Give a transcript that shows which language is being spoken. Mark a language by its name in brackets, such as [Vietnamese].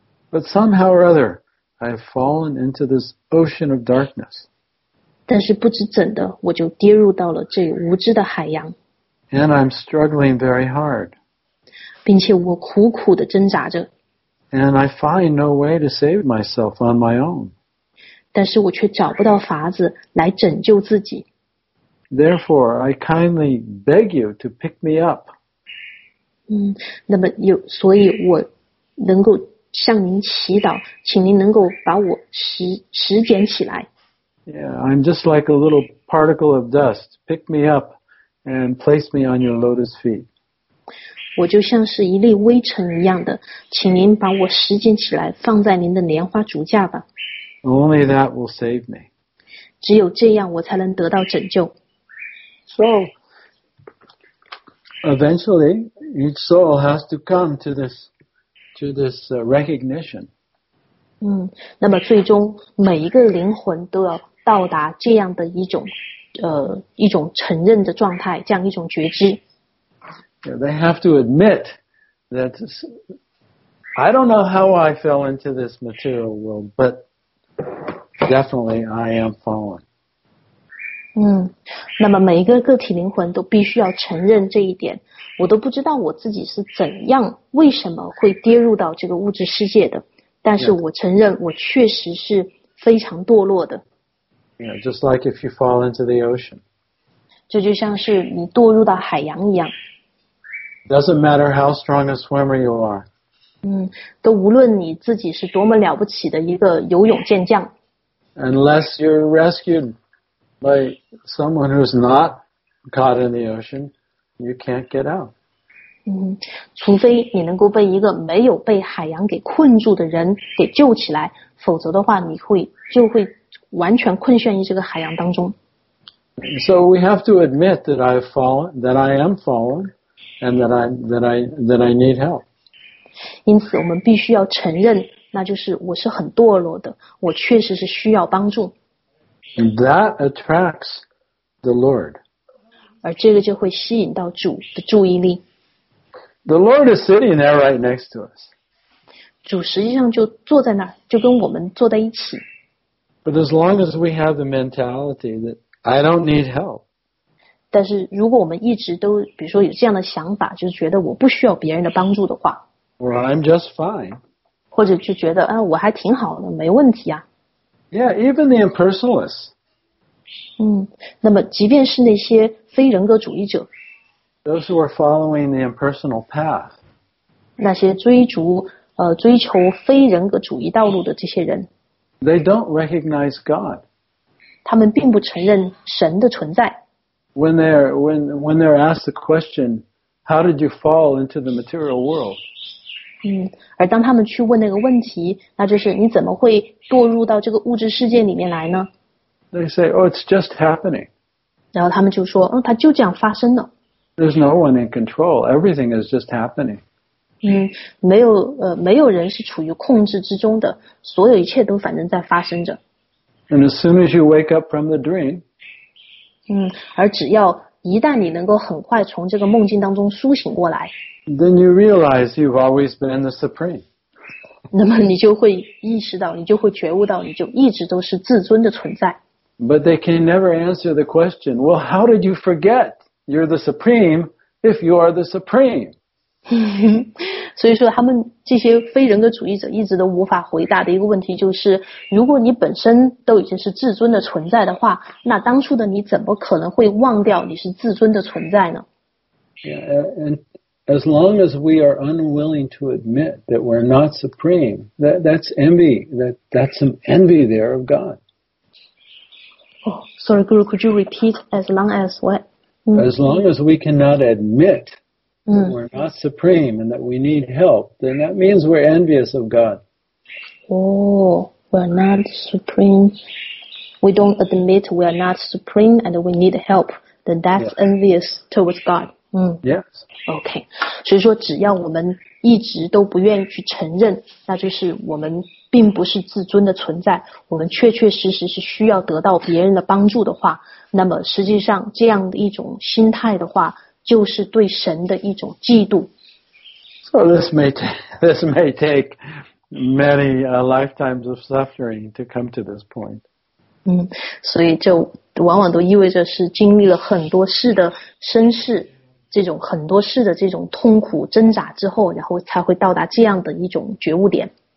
[English] But somehow or other, I've fallen into this ocean of darkness. [Chinese] 但是不知怎的，我就跌入到了这无知的海洋。 [English] And I'm struggling very hard. [Chinese] 并且我苦苦地挣扎着。 [English] And I find no way to save myself on my own. [Chinese] 但是我却找不到法子来拯救自己。 [English] Therefore, I kindly beg you to pick me up. [Chinese] 那么有，所以我能够向您祈祷，请您能够把我拾捡起来。 [English] Yeah, I'm just like a little particle of dust. Pick me up. And place me on your lotus feet. [Chinese] 我就像是一粒微尘一样的，请您把我拾捡起来，放在您的莲花足下吧。 [English] Only that will save me. [Chinese] 只有这样，我才能得到拯救。 [English] So, eventually, each soul has to come to this recognition. [Chinese] 那么最终每一个灵魂都要到达这样的一种。一种承认的状态，这样一种觉知。 [English] Yeah, they have to admit that I don't know how I fell into this material world, but definitely I am fallen. [Chinese] 那么每一个个体灵魂都必须要承认这一点，我都不知道我自己是怎样，为什么会跌入到这个物质世界的，但是我承认我确实是非常堕落的。 [English] Yeah, just like if you fall into the ocean. [Chinese] 这就像是你堕入到海洋一样。 [English] Doesn't matter how strong a swimmer you are. [Chinese] 都无论你自己是多么了不起的一个游泳健将。 [English] Unless you're rescued by someone who's not caught in the ocean, you can't get out. [Chinese] 除非你能够被一个没有被海洋给困住的人给救起来，否则的话你会就会完全困陷于这个海洋当中。 [English] So we have to admit that I've fallen, that I am fallen, and that I need help. [Chinese] 因此我们必须要承认，那就是我是很堕落的，我确实是需要帮助。 [English] That attracts the Lord. [Chinese] 而这个就会吸引到主的注意力。 [English] The Lord is sitting there right next to us. [Chinese] 主实际上就坐在那儿，就跟我们坐在一起。 [English] But as long as we have the mentality that I don't need help. [Chinese] 但是如果我们一直都比如说有这样的想法，就是觉得我不需要别人的帮助的话。 [English] Or I'm just fine. [Chinese] 或者就觉得啊我还挺好的，没问题啊。 [English] Yeah, even the impersonalists. [Chinese] 那么即便是那些非人格主义者。 [English] Those who are following the impersonal path. [Chinese] 那些追求非人格主义道路的这些人。 [English] They don't recognize God. [Chinese] 他们并不承认神的存在。 [English] When they're asked the question, how did you fall into the material world? [Chinese] 而当他们去问那个问题，那就是你怎么会堕入到这个物质世界里面来呢？ [English] They say, oh, it's just happening. [Chinese] 然后他们就说，它就这样发生了。 [English] There's no one in control. Everything is just happening. [Chinese] 没有人是处于控制之中的，所有一切都反正在发生着。 [English] And as soon as you wake up from the dream, [Chinese] 而只要一旦你能够很快从这个梦境当中苏醒过来， [English] then you realize you've always been the supreme. [Chinese] 那么你就会意识到，你就会觉悟到，你就一直都是至尊的存在。 [English] But they can never answer the question, well, how did you forget you're the supreme if you are the supreme? [Chinese] 所以说他们这些非人格主义者一直都无法回答的一个问题就是，如果你本身都已经是至尊的存在的话，那当初的你怎么可能会忘掉你是至尊的存在呢？ [English] Yeah, and as long as we are unwilling to admit that we're not supreme, that's envy, that's some envy there of God. Sorry, Guru, could you repeat as long as what? As long as we cannot admit that we're not supreme and that we need help, then that means we're envious of God. We're not supreme. We don't admit we are not supreme and we need help. Then that's envious towards God. Yes. Okay. [Chinese] 所以说只要我们一直都不愿意去承认，那就是我们并不是自尊的存在，我们确确实实是需要得到别人的帮助的话，那么实际上这样的一种心态的话，就是对神的一种嫉妒。 [English] So this may take many lifetimes of suffering to come to this point. [Chinese] 所以就往往都意味着是经历了很多事的身世，这种很多事的这种痛苦挣扎之后，然后才会到达这样的一种觉悟点。